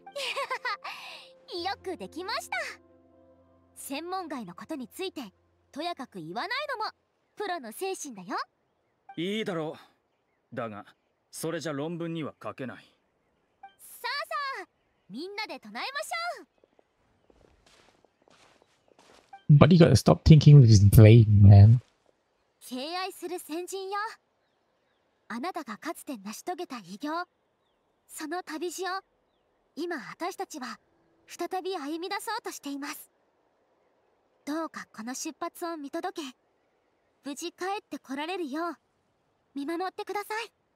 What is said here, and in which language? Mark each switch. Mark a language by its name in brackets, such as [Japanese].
[Japanese] よくできました。専門外のことについてとやかく言わないのもプロの精神だよ。いいだろう。だがそれじゃ論文には書けない。さあさあ、みんなで唱えましょう。 [English] But you gotta stop thinking with his brain, man. [Japanese] 敬愛する先人よ、あなたがかつて成し遂げた偉業、その旅路を今私たちは再び歩み出そうとしています。どうかこの出発を見届け、無事帰ってこられるよう見守ってください。